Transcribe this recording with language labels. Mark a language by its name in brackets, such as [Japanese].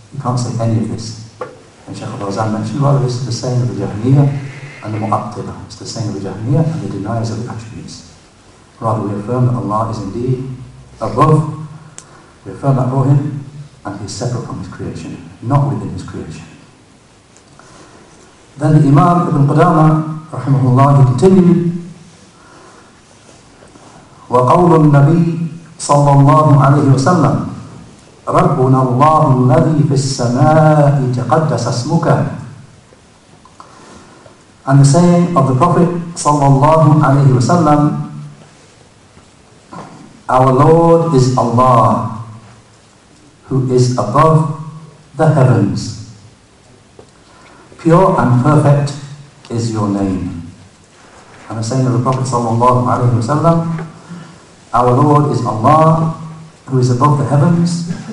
[English] You can't say any of this. And Shaykh al-Fawzan mentioned, rather, this is the saying of the Jahmiyyah and the Mu'attilah. It's the saying of the Jahmiyyah and the deniers of the attributes. Rather, we affirm that Allah is indeed above. We affirm that for Him, and He is separate from His creation, not within His creation. Then the Imam Ibn Qudamah, rahimahullah, he continued, [Arabic] وَقَوْلُ النَّبِيِّ صَلَّى اللَّهُ عَلَيْهِ وَسَلَّمْ رَبُّنَا اللَّهُ الَّذِي فِي السَّمَاءِ تَقَدَّسَ اسْمُكَ. [English] And the saying of the Prophet sallallahu alayhi wa sallam, our Lord is Allah, who is above the heavens. Pure and perfect is your name. And the saying of the Prophet sallallahu alayhi wa sallam, our Lord is Allah, who is above the heavens.